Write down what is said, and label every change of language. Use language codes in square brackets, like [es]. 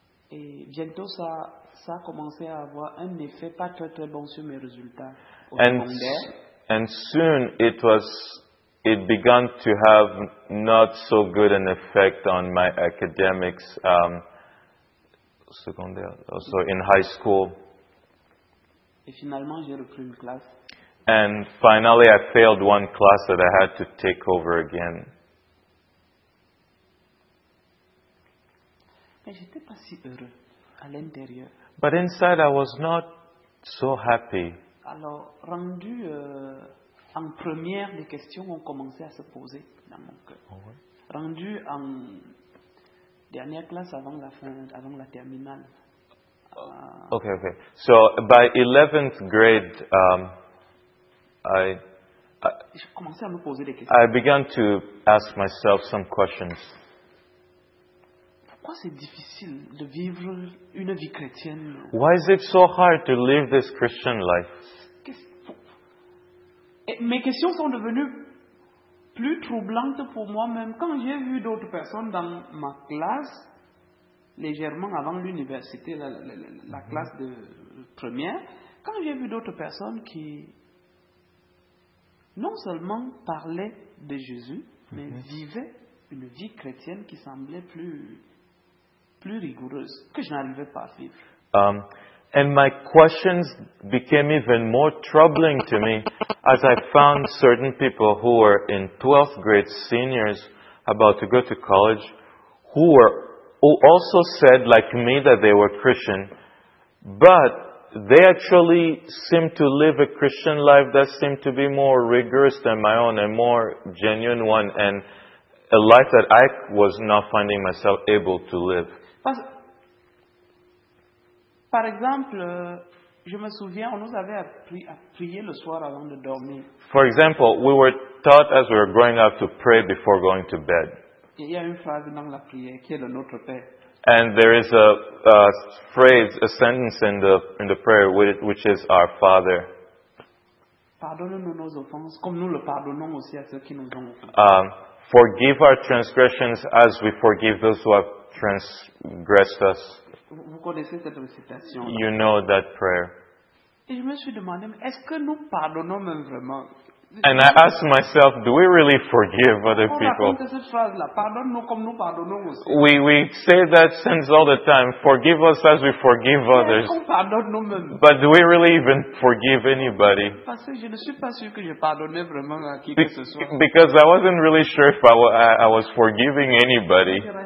[fr] Et bientôt ça a commencé à avoir un effet pas très très bon sur mes résultats au secondaire. [en] And soon it began to have not so good an effect on my academics secondaire, also in high school. [fr] Et finalement j'ai repris une classe. [en] And finally I failed one class that I had to take over again. [fr] J'étais pas si heureux à l'intérieur. [en] But inside I was not so happy. [fr] Alors, rendu en première, les questions ont commencé à se poser dans mon cœur. Oh, ouais. Rendu en dernière classe avant la terminale. [en] Okay. So by 11th grade, [fr] j'ai commencé à me poser des questions. [en] I began to ask myself some questions. [fr] Pourquoi c'est difficile de vivre une vie chrétienne? [en] Why is it so hard to live this Christian life? [fr] Mes questions sont devenues plus troublantes pour moi-même quand j'ai vu d'autres personnes dans ma classe, légèrement avant l'université, la classe de première, quand j'ai vu d'autres personnes qui non seulement parlaient de Jésus, mais vivaient une vie chrétienne qui semblait plus rigoureuse, que je n'arrivais pas à vivre. [en] And my questions became even more troubling to me as I found certain people who were in 12th grade seniors about to go to college who also said like me that they were Christian, but they actually seemed to live a Christian life that seemed to be more rigorous than my own and more genuine one, and a life that I was not finding myself able to live. [fr] Par exemple, je me souviens, on nous avait appris à prier le soir avant de dormir. [en] For example, we were taught as we were growing up to pray before going to bed. [fr] Il y a une phrase dans la prière qui est le Notre Père. [en] And there is a phrase, a sentence in the prayer which is our Father. [fr] Pardonne-nous nos offenses, comme nous le pardonnons aussi à ceux qui nous ont offensés. [en] Forgive our transgressions as we forgive those who have transgressed us. [fr] Vous connaissez cette récitation. [en] You know that prayer. [fr] Et je me suis demandé, est-ce que nous pardonnons même vraiment? [en] And I asked myself, do we really forgive other people? We say that sentence all the time, forgive us as we forgive others. But do we really even forgive anybody? Because I wasn't really sure if I was forgiving anybody.